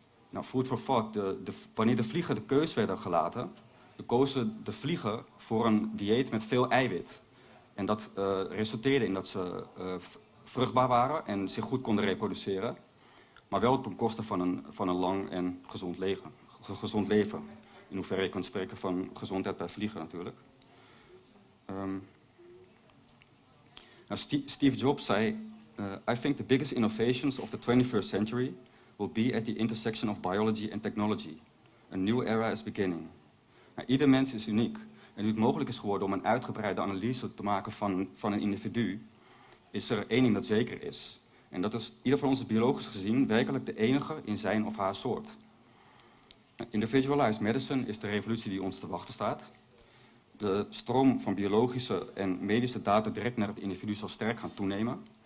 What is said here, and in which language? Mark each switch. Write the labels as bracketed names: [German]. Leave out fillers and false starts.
[Dutch] Nou, food for thought, wanneer de vliegen de keus werden gelaten, kozen de vliegen voor een dieet met veel eiwit. En dat resulteerde in dat ze vruchtbaar waren en zich goed konden reproduceren. Maar wel ten koste van een lang en gezond leven. In hoeverre je kunt spreken van gezondheid bij vliegen natuurlijk. Steve Jobs zei, [English] I think the biggest innovations of the 21st century will be at the intersection of biology and technology. A new era is beginning. [Dutch] Nou, ieder mens is uniek. En nu het mogelijk is geworden om een uitgebreide analyse te maken van een individu, is er één ding dat zeker is. En dat is ieder van ons biologisch gezien werkelijk de enige in zijn of haar soort. Individualized medicine is de revolutie die ons te wachten staat. De stroom van biologische en medische data direct naar het individu zal sterk gaan toenemen.